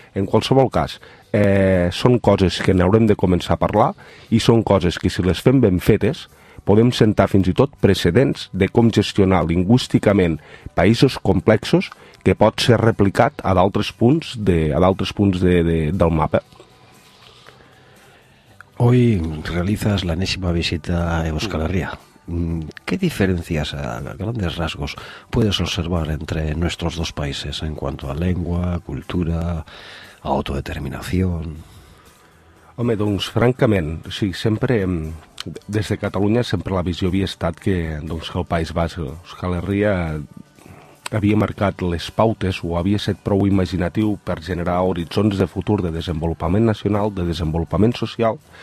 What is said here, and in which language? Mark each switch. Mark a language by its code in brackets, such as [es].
[ca] En qualsevol cas, són coses que n'haurem de començar a parlar i són coses que, si les fem ben fetes, podem sentar fins i tot precedents de com gestionar lingüísticament països complexos que pot ser replicat a d'altres punts del mapa. [es] Hoy realizas la enésima visita a Euskal Herria. ¿Qué diferencias a grandes rasgos puedes observar entre nuestros dos países en cuanto a lengua, cultura, autodeterminación? [ca] Home, doncs, francament, sí, sempre, des de Catalunya, sempre la visió havia estat que, doncs, que el País Basc, Euskal Herria, havia marcat les pautes o havia estat prou imaginatiu per generar horitzons de futur de desenvolupament nacional, de desenvolupament social.